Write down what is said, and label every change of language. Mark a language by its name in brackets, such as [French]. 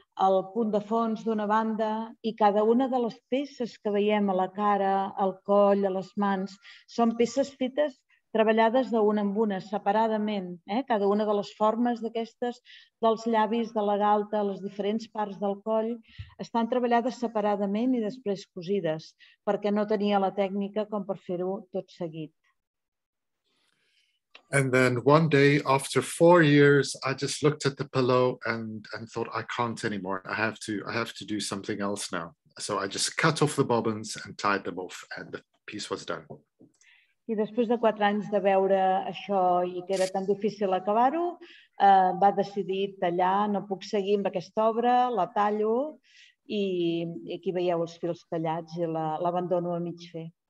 [Catalan] el punt de fons d'una banda i cada una de les peces que veiem a la cara, al coll, a les mans, són peces fetes treballades d'una en una, separadament. Cada una de les formes d'aquestes, dels llavis, de la galta, les diferents parts del coll, estan treballades separadament i després cosides, perquè no tenia la tècnica com per fer-ho tot seguit. [English] And then one day, after 4 years, I just looked at the pillow and thought, I can't anymore. I have to do something else now. So I just cut off the bobbins and tied them off, and the piece was done. [Catalan] I després de 4 anys de veure això i que era tan difícil acabar-ho, va decidir tallar, no puc seguir amb aquesta obra, la tallo, i aquí veieu els fils tallats i l'abandono a mig fer.